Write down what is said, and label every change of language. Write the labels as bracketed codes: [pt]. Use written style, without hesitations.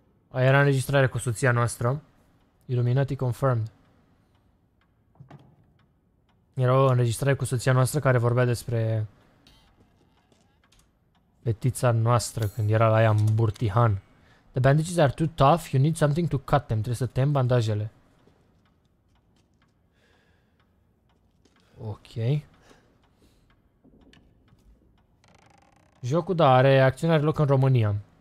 [ro] Aia era înregistrare cu soția noastră. [en] Illuminati confirmed. [ro] Era o înregistrare cu soția noastră care vorbea despre fetița noastră când era la ea în Burtihan. [en] The bandages are too tough, you need something to cut them. [ro] Trebuie să tem bandajele. Ok. Jocul, da, are acțiunea are loc în România.